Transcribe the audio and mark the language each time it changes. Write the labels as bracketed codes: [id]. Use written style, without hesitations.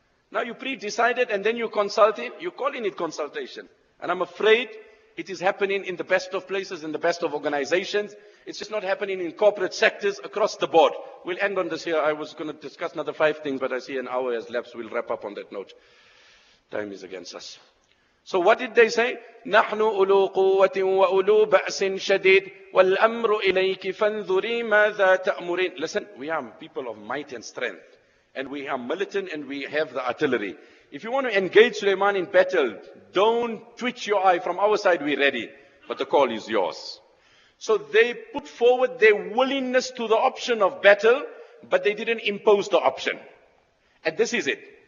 [en] Now you pre-decided and then you consulted, you're calling it consultation. And I'm afraid it is happening in the best of places, in the best of organizations. It's just not happening in corporate sectors across the board. We'll end on this here. I was going to discuss another 5 things, but I see an hour has lapsed. We'll wrap up on that note. Time is against us. So what did they say? [ar] نحن أولو قوة وأولو بأس شديد والأمر إليك فانظري ماذا تأمرين. [en] Listen, we are people of might and strength. And we are militant and we have the artillery. If you want to engage Sulaiman in battle, don't twitch your eye. From our side, we're ready. But the call is yours. So they put forward their willingness to the option of battle, but they didn't impose the option. And this is it.